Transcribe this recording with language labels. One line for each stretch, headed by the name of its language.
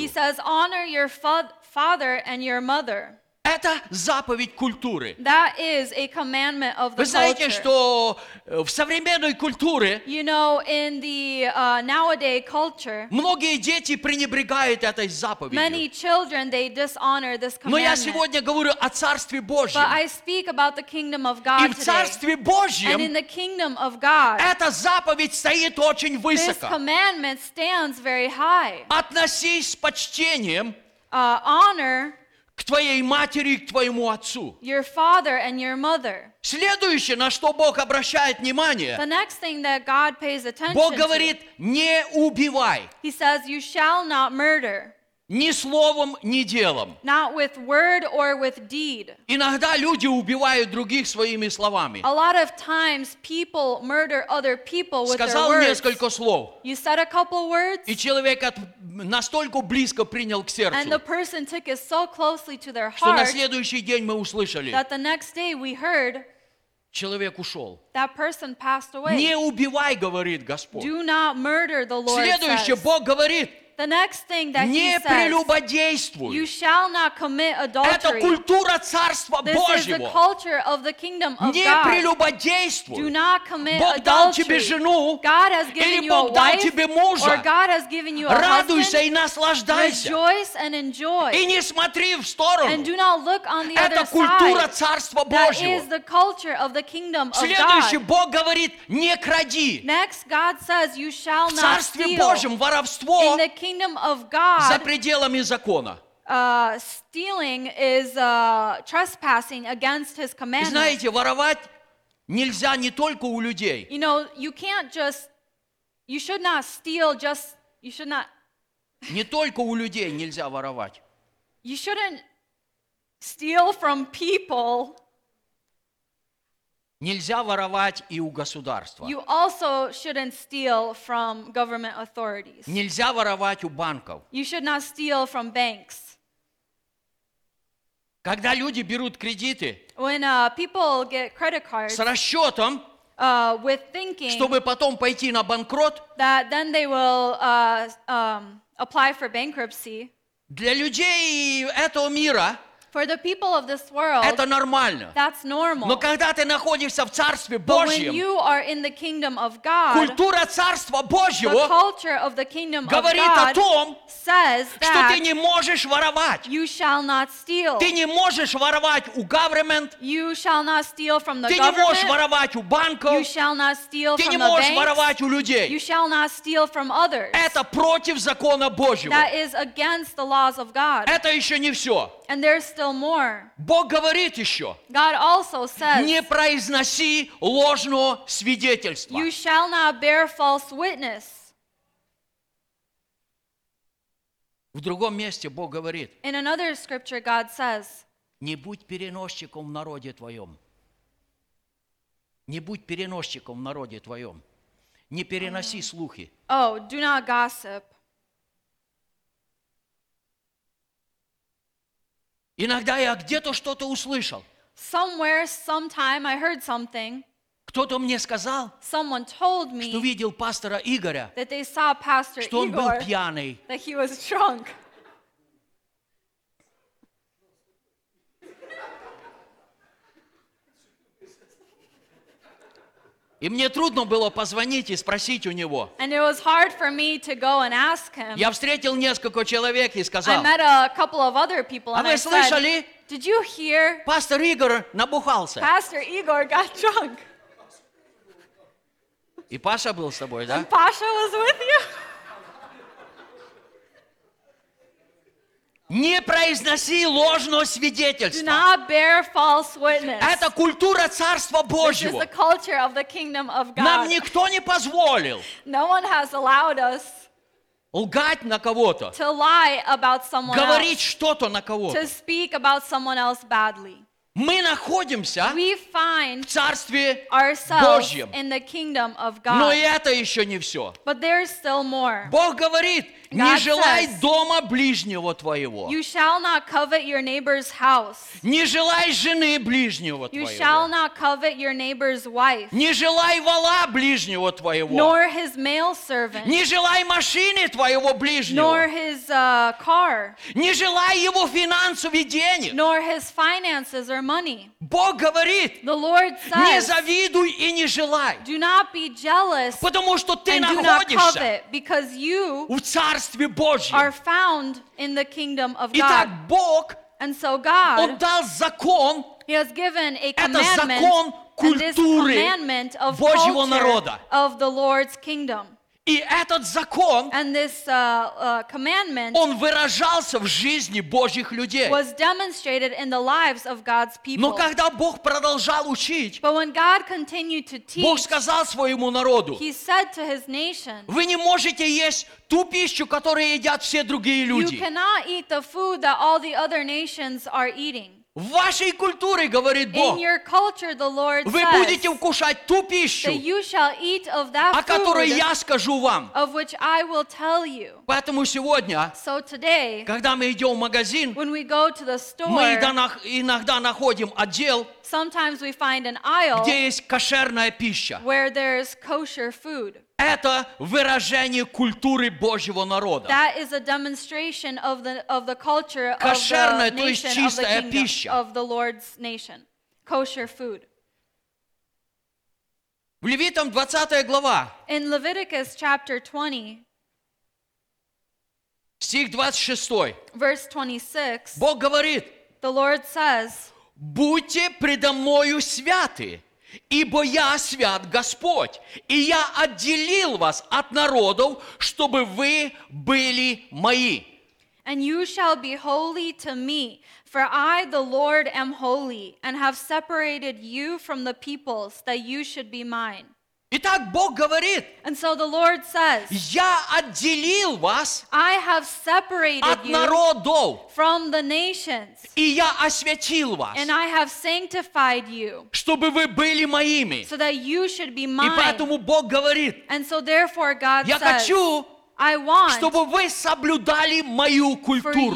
English: He says, honor your father and your mother.
Russian: Это заповедь культуры.
English: That is a commandment of the culture.
Russian: Вы знаете,
English: culture.
Russian: Что в современной культуре,
English: you know, in the, nowadays culture,
Russian: многие дети пренебрегают этой заповедью.
English: Many children, they dishonor this commandment.
Russian: Но я сегодня говорю о Царстве Божьем.
English: But I speak about the kingdom of God today.
Russian: И в Царстве Божьем,
English: and in the kingdom of God,
Russian: эта заповедь стоит очень высоко.
English: This commandment stands very high.
Russian: Относись с почтением,
English: honor,
Russian: к твоей матери и к твоему отцу.
English: Your father and your mother.
Russian: Следующее, на что Бог обращает внимание,
English: the next thing that God pays attention
Russian: Бог говорит,
English: to,
Russian: не убивай.
English: He says, you shall not murder.
Russian: Ни словом, ни делом.
English: Not with word or with deed.
Russian: Иногда люди убивают других своими словами.
English: A lot of times people murder other people with
Russian: Сказал
English: their words.
Russian: Сказал несколько слов.
English: You said a couple words.
Russian: И человек настолько близко принял к сердцу.
English: And the person took it so closely to their heart.
Russian: Что на следующий день мы услышали.
English: That the next day we heard.
Russian: Человек ушел.
English: That person passed away.
Russian: Не убивай, говорит Господь.
English: Do not murder, the Lord
Russian: Следующее,
English: says.
Russian: Бог говорит.
English: The next thing that
Russian: не
English: he
Russian: прелюбодействуй.
English: Says, you shall not commit adultery.
Russian: Это культура Царства
English: This
Russian: Божьего.
English: This is the culture of the kingdom of
Russian: не
English: God.
Russian: Не прелюбодействуй.
English: Do not commit
Russian: Бог
English: adultery.
Russian: Бог дал тебе жену,
English: God has given
Russian: или
English: you
Russian: Бог
English: a
Russian: дал
English: wife,
Russian: тебе мужа.
English: Or God has given you a
Russian: Радуйся
English: husband.
Russian: И наслаждайся.
English: Rejoice and enjoy.
Russian: И не смотри в сторону.
English: And do not look on the
Russian: Это
English: other side.
Russian: Это культура Царства Божьего.
English: That is the culture of the kingdom of
Russian: Следующий,
English: God.
Russian: Следующий, Бог говорит, не кради.
English: Next, God says, you shall
Russian: в
English: not
Russian: Царстве
English: steal.
Russian: В Царстве Божьем воровство
English: In the kingdom of God,
Russian: за пределами закона.
English: Stealing is trespassing against his commandments.
Russian: Знаете, воровать нельзя не только у людей.
English: You know, you can't just, you should not steal just, you should not.
Russian: Не только у людей нельзя воровать.
English: You shouldn't steal from people.
Russian: Нельзя воровать и у государства.
English: You also shouldn't steal from government authorities.
Russian: Нельзя воровать у банков.
English: You should not steal from banks.
Russian: Когда люди берут кредиты,
English: when people get credit cards,
Russian: с расчетом,
English: with thinking,
Russian: чтобы потом пойти на банкрот,
English: that then they will apply for bankruptcy.
Russian: Для людей этого мира,
English: For the people of this world,
Russian: это нормально.
English: That's normal.
Russian: Но когда ты находишься в Царстве Божьем,
English: when you are in the kingdom of God,
Russian: культура Царства Божьего
English: the culture of the kingdom
Russian: говорит
English: of God
Russian: о том,
English: says that
Russian: что ты не можешь воровать.
English: You shall not steal.
Russian: Ты не можешь воровать у government.
English: You shall not steal from the
Russian: ты
English: government.
Russian: Не можешь воровать у банков.
English: You shall not steal
Russian: ты
English: from
Russian: не
English: the
Russian: можешь
English: banks.
Russian: Воровать у людей.
English: You shall not steal from others.
Russian: Это против закона Божьего.
English: That is against the laws of God.
Russian: Это еще не все.
English: And there's still more.
Russian: Бог говорит еще.
English: God also says,
Russian: не произноси ложного свидетельства.
English: You shall not bear false witness.
Russian: В другом месте Бог говорит.
English: In another scripture God says,
Russian: не будь переносчиком в народе твоем. Не будь переносчиком в народе твоем. Не переноси слухи.
English: Oh, do not gossip.
Russian: Иногда я где-то что-то услышал.
English: Somewhere, sometime I heard something.
Russian: Кто-то мне сказал,
English: Someone told me
Russian: что видел пастора Игоря,
English: that they saw Pastor
Russian: что он
English: Igor,
Russian: был пьяный.
English: That he was drunk.
Russian: И мне трудно было позвонить и спросить у него.
English: And it was hard for me to go and ask him.
Russian: Я встретил несколько человек и сказал,
English: I met a couple of other people and
Russian: а вы слышали?
English: Said, Did you hear?
Russian: Пастор Игорь набухался.
English: Pastor Igor got drunk.
Russian: И Паша был с тобой, да?
English: And Pasha was with you.
Russian: Не произноси ложного свидетельства.
English: Do not bear false witness.
Russian: Это культура Царства Божьего.
English: This is the culture of the kingdom of God.
Russian: Нам никто не позволил.
English: No one has allowed us.
Russian: Лгать на кого-то.
English: To lie about someone
Russian: говорить
English: else.
Russian: Что-то на кого-то.
English: To speak about someone else badly.
Russian: Мы находимся
English: we find
Russian: в Царстве
English: ourselves
Russian: Божьем.
English: In the kingdom of God.
Russian: Но это еще не все.
English: But there is still more.
Russian: Бог говорит,
English: God
Russian: не
English: says,
Russian: желай дома ближнего твоего.
English: You shall not covet your neighbor's house.
Russian: Не желай жены ближнего твоего.
English: You shall not covet your neighbor's wife.
Russian: Не желай вола ближнего твоего.
English: Nor his male servant.
Russian: Не желай машины твоего ближнего.
English: Nor his car.
Russian: Не желай его финансов и денег.
English: Nor his finances. Or money.
Russian: Бог говорит,
English: the Lord says,
Russian: не завидуй и не желай,
English: do not be jealous,
Russian: потому что ты
English: and
Russian: находишься в Царстве Божьем.
English: Are found in the kingdom of God.
Russian: Итак, Бог
English: and so God,
Russian: Он дал закон,
English: he has given a
Russian: это закон культуры
English: of
Russian: Божьего народа.
English: Of the Lord's kingdom.
Russian: И этот закон,
English: and this, commandment,
Russian: он выражался в жизни Божьих людей.
English: Was demonstrated in the lives of God's people.
Russian: Но когда Бог продолжал учить,
English: but when God continued to teach,
Russian: Бог сказал своему народу,
English: he said to his nation,
Russian: вы не можете есть ту пищу, которую едят все другие люди.
English: You cannot eat the food that all the other nations are eating.
Russian: В вашей культуре, говорит Бог,
English: in your culture, the Lord
Russian: вы
English: says,
Russian: будете вкушать ту пищу,
English: food,
Russian: о которой я скажу вам.
English: Of which I will tell you.
Russian: Поэтому сегодня,
English: so today,
Russian: когда мы идем в магазин,
English: when we go to the store,
Russian: мы иногда находим отдел,
English: sometimes we find an aisle,
Russian: где есть кошерная пища.
English: Where there is kosher food.
Russian: Это выражение культуры Божьего народа.
English: That is a demonstration of the culture
Russian: кошерная,
English: of the nation,
Russian: то есть чистая
English: of the kingdom,
Russian: пища.
English: Of the Lord's nation. Kosher food.
Russian: В Левитам 20 глава.
English: In Leviticus chapter 20.
Russian: Стих 26.
English: Verse 26.
Russian: Бог говорит.
English: The Lord says.
Russian: Будьте предо мною святы. Ибо я свят Господь, и я отделил вас от народов, чтобы вы были мои.
English: And you shall be holy to me, for I, the Lord, am holy, and have separated you from the peoples, that you should be mine.
Russian: Итак, Бог говорит,
English: and so the Lord says,
Russian: я отделил вас
English: I have separated
Russian: от народов
English: from the nations,
Russian: и я освятил вас,
English: and I have sanctified you,
Russian: чтобы вы были моими.
English: So that you should be mine.
Russian: И поэтому Бог говорит,
English: and so therefore God
Russian: я хочу,
English: I want
Russian: чтобы вы соблюдали мою культуру.